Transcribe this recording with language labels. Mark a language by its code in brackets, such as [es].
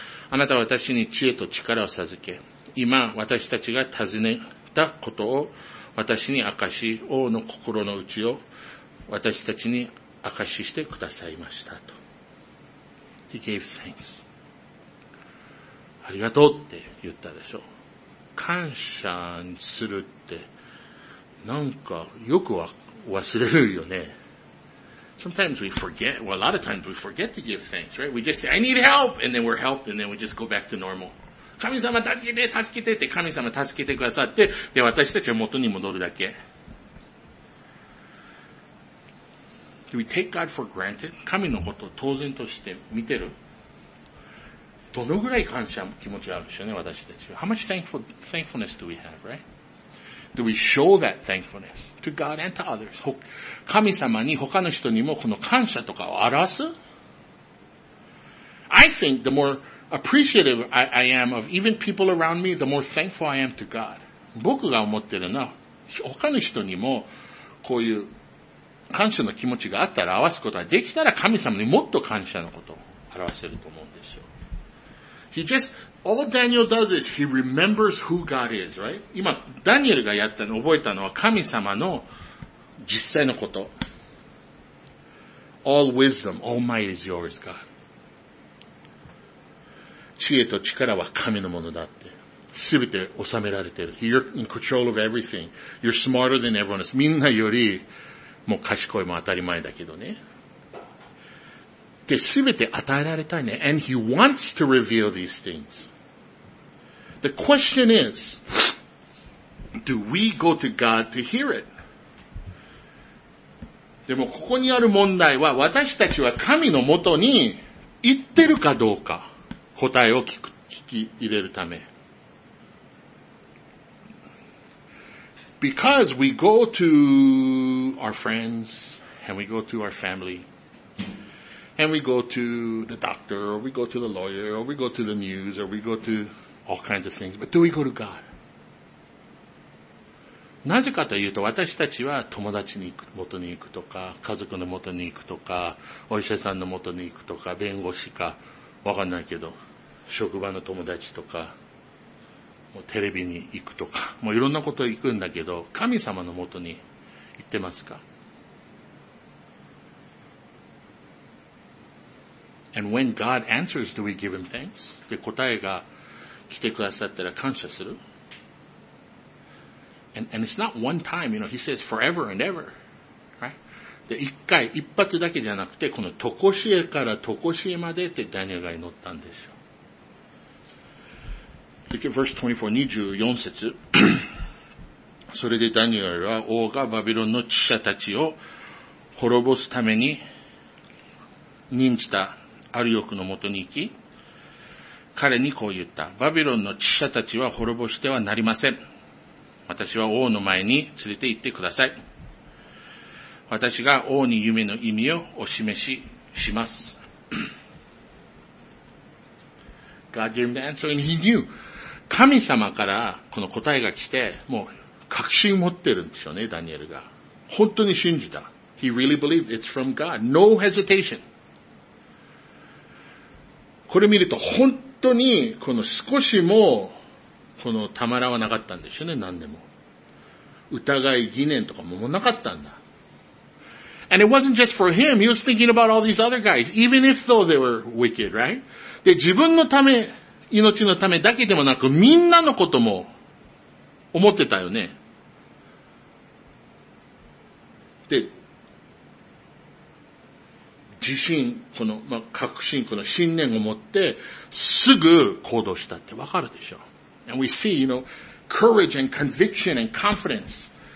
[ja] あなたは私に知恵と力を授け、今私たちが尋ねたことを私に明かし、王の心の内を私たちに明かししてくださいましたと。 [en] He gave thanks. [ja] ありがとうって言ったでしょ。感謝するって、なんかよく忘れるよね。 [en] Sometimes we forget, well, a lot of times we forget to give thanks, right? We just say, I need help, and then we're helped, and then we just go back to normal. [ja] 神様助けて、助けてって、神様助けてくださって、で、私たちは元に戻るだけ。 [en] Do we take God for granted? [ja] 神のことを当然として見てる。どのぐらい感謝気持ちあるでしょうね、私たちは。 [en] How much thankfulness do we have, right? Do we show that thankfulness to God and to others? [ja] 神様に他の人にもこの感謝とかを表す? [en] I think the more appreciative I am of even people around me, the more thankful I am to God. [ja] 僕が思ってるのは、他の人にもこういう感謝の気持ちがあったら表すことができたら神様にもっと感謝のことを表せると思うんですよ。 [en] All Daniel does is he remembers who God is, right? [ja] 今、ダニエルがやったの、覚えたのは神様の実際のこと。 [en] All wisdom, all might is yours, God. [ja] 知恵と力は神のものだって。すべて収められてる。 [en] You're in control of everything. You're smarter than everyone else. [ja] みんなより、もう賢いも当たり前だけどね。で、すべて与えられたいね。 [en] And he wants to reveal these things. The question is, do we go to God to hear it? [ja] でもここにある問題は私たちは神のもとに行ってるかどうか答えを聞き入れるため。 [en] Because we go to our friends and we go to our family and we go to the doctor or we go to the lawyer or we go to the news or we go toAll kinds of things. But do we go to God? [ja] なぜかというと私たちは友達に行く、元に行くとか、家族の元に行くとか、お医者さんの元に行くとか、弁護士か、わかんないけど、職場の友達とか、もうテレビに行くとか、もういろんなこと行くんだけど、神様の元に行ってますか? [en] And when God answers, do we give him thanks? [ja] で、答えが、来てくださったら感謝する。 [en] And it's not one time, you know, he says forever and ever, right? [ja] で、一回、一発だけじゃなくて、このとこしえからとこしえまでってダニエルが祈ったんですよ。 [en] Look at verse 24節。 [ja] それでダニエルは王がバビロンの知者たちを滅ぼすために任じたアリオクのもとに行き、彼にこう言った。バビロンの知者たちは滅ぼしてはなりません。私は王の前に連れて行ってください。私が王に夢の意味をお示しします。 [en] God gave him the answer and he knew. [ja] 神様からこの答えが来て、もう確信持ってるんでしょうね、ダニエルが。本当に信じた。 [en] He really believed it's from God. No hesitation. [ja] これ見ると本当に、この少しも、このたまらはなかったんでしょうね、何でも。疑い疑念とかもなかったんだ。 [en] And it wasn't just for him, he was thinking about all these other guys, even if though they were wicked, right? [ja] で、自分のため、命のためだけでもなく、みんなのことも、思ってたよね。で、自信、この、まあ、確信、この信念を持って、すぐ行動したってわかるでしょ。 [en] And we see, you know, courage and conviction and confidence.